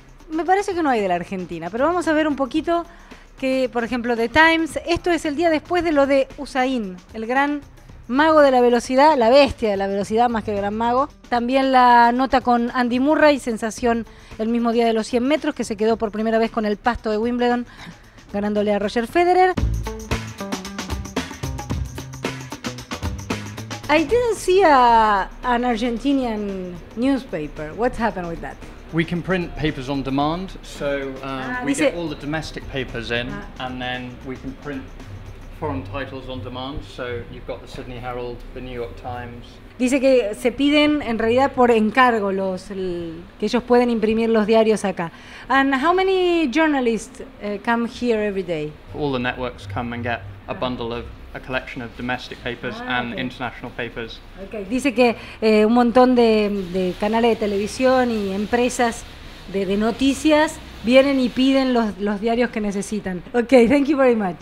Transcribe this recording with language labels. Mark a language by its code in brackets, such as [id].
[es] Me parece que no hay de la Argentina, pero vamos a ver un poquito que, por ejemplo, The Times, esto es el día después de lo de Usain, el gran mago de la velocidad, la bestia de la velocidad, más que el gran mago. También la nota con Andy Murray, sensación el mismo día de los 100 metros, que se quedó por primera vez con el pasto de Wimbledon, ganándole a Roger Federer. [en] I didn't see an Argentinian newspaper. What's happened with that? We can print papers on demand, so get all the domestic papers in, and then we can print foreign titles on demand. So you've got the Sydney Herald, the New York Times. [es] Dice que se piden en realidad por encargo los que ellos pueden imprimir los diarios acá. [en] And how many journalists come here every day? All the networks come and get a bundle of. A collection of domestic papers and international papers. Okay. [es] Dice que un montón de canales de televisión y empresas de noticias vienen y piden los diarios que necesitan. [en] Okay, thank you very much.